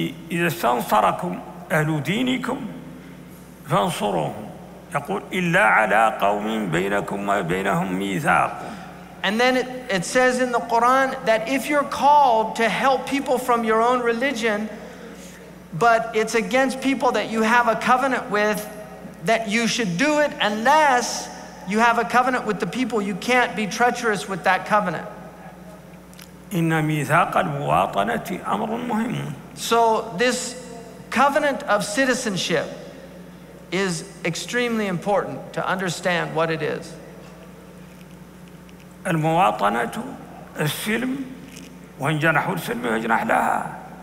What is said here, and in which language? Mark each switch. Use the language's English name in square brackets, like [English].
[Arabic] إذا استنصركم أهل دينكم فانصروهم يقول إلا على قوم بينكم وبينهم ميثاق. [English] And then it says in the Quran that if you're called to help people from your own religion, but it's against people that you have a covenant with, that you should do it unless you have a covenant with the people. You can't be treacherous with that covenant. [Arabic] إن ميثاق المواطنة أمر مهم. [English] So this covenant of citizenship is extremely important to understand what it is. [Arabic] المواطنة السلم وإن جنحوا للسلم يجنح لها.